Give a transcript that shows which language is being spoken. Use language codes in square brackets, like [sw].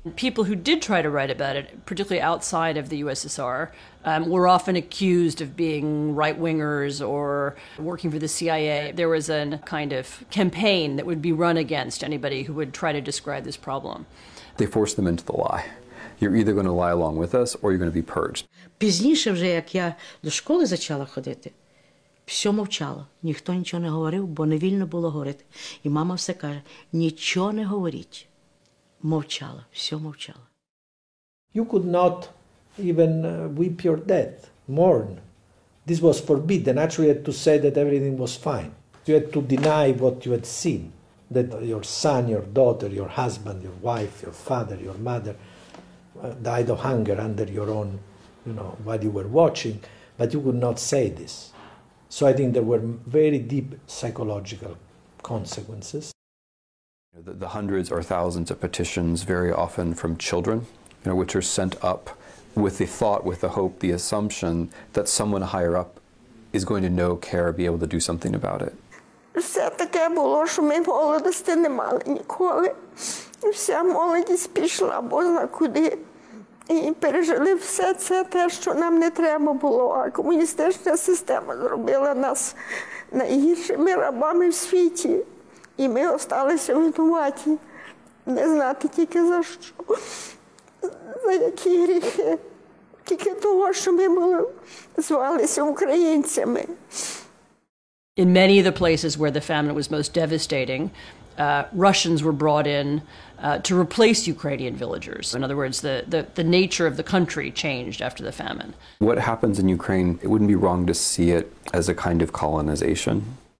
[en] People who did try to write about it, particularly outside of the USSR, were often accused of being right-wingers or working for the CIA. There was a kind of campaign that would be run against anybody who would try to describe this problem. They forced them into the lie. You're either going to lie along with us or you're going to be purged. [uk] Пізніше вже, як я до школи почала ходити, все мовчало, ніхто нічого не говорив, бо не вільно було говорити. І мама все каже, нічого не говоріть. Мовчало, все мовчало. [en] You could not even weep your death, mourn. This was forbidden. Actually, you had to say that everything was fine. You had to deny what you had seen, that your son, your daughter, your husband, your wife, your father, your mother died of hunger under your own, you know, while you were watching, but you could not say this. So I think there were very deep psychological consequences. The hundreds or thousands of petitions, very often from children, you know, which are sent up with the thought, with the hope, the assumption that someone higher up is going to know, care, be able to do something about it. [uk] Все таке було, що ми молодості не мали ніколи. І вся молодість пішла, Бозна куди. І пережили все це, те, що нам не треба було. А комуністична система зробила нас найгіршими рабами в світі. І ми осталися винуваті, не знати тільки за що, за які гріхи. Тільки того, що ми були, звалися українцями. [en] In many of the places where the famine was most devastating, Russians were brought in to replace Ukrainian villagers. In other words, the nature of the country changed after the famine. What happens in Ukraine, it wouldn't be wrong to see it as a kind of colonization.